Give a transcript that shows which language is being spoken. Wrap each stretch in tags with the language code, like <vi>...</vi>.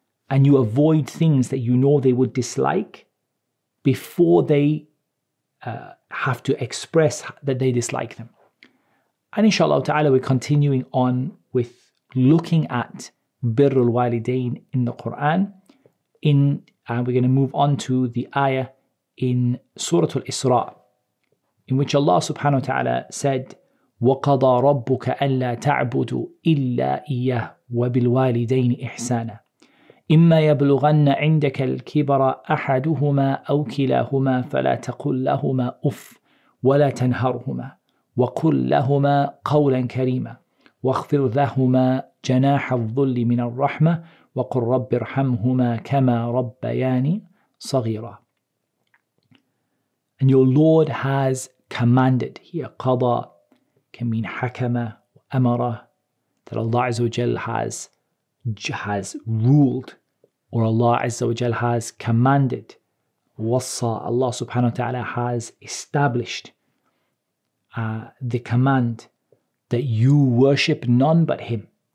<en>And you avoid things that you know they would dislike before they have to express that they dislike them. And inshallah ta'ala, we're continuing on with looking at Birr al-Walidain in the Quran. And we're going to move on to the ayah in Surah Al-Isra, in which Allah subhanahu wa ta'ala said,</en> <ar>وَقَضَى رَبُّكَ أَلَّا تَعْبُدُوا إِلَّا إِيَّهُ وَبِالْوَالِدَيْنِ إِحْسَانًا إِمَّا يَبْلُغَنَّ عِنْدَكَ الْكِبَرَ أَحَدُهُمَا أَوْ كِلَاهُمَا فَلَا تَقُلْ لَهُمَا أُفٍّ وَلَا تَنْهَرْهُمَا وَقُلْ لَهُمَا قَوْلًا كَرِيمًا وَاخْفِضْ لَهُمَا جَنَاحَ الذُّلِّ مِنَ الرَّحْمَةِ وَقُلْ رَبِّ ارْحَمْهُمَا كَمَا رَبَّيَانِي صَغِيرًا.</ar> <en>And your Lord has commanded here. Qada can mean hakama, amara, that Allah Azza wa Jal has ruled, or Allah Azza wa Jal has commanded. Wassa, Allah subhanahu wa ta'ala has established the command that you worship none but Him.</en>